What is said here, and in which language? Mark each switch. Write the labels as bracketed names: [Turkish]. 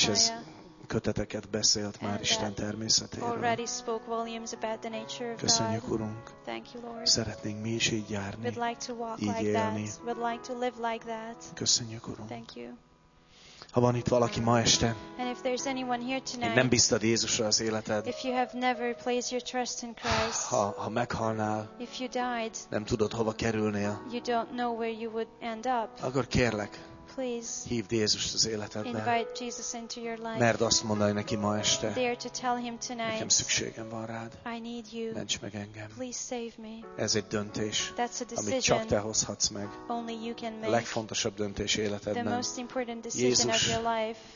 [Hungarian] És ez köteteket beszélt már Isten természetéről. [English] Already spoke volumes about the nature of [Hungarian] köszönjük, [English] God. [Hungarian] Urunk. [English] Thank you, Lord. [Hungarian] Szeretnénk mi is így járni. [English] We'd like to walk [Hungarian] így [English] like [Hungarian] élni. [English] That. We'd like to live like that. [Hungarian] Köszönjük, Urunk. [English] Thank you. [Hungarian] Ha van itt valaki ma este, [English] and if there's anyone here tonight, [Hungarian] nem bíztad Jézusra az életed, [English] if you have never placed your trust in Christ, [Hungarian] ha meghalnál, [English] if you died, [Hungarian] nem tudod hova kerülnél, [English] you don't know where you would end up, [Hungarian] akkor kérlek, [English] please, [Hungarian] hívd Jézust az életedbe, [English] invite Jesus into your life, [Hungarian] merd azt mondani neki ma este, [English] dare to tell him tonight, [Hungarian] nekem szükségem van rád, [English] I need you, [Hungarian] ments meg engem, [English] please save me, [Hungarian] ez egy döntés, [English] that's a decision, [Hungarian] amit csak te hozhatsz meg, [English] only you can make, [Hungarian] a legfontosabb döntés életedben, [English] the most important decision Jézus of your life,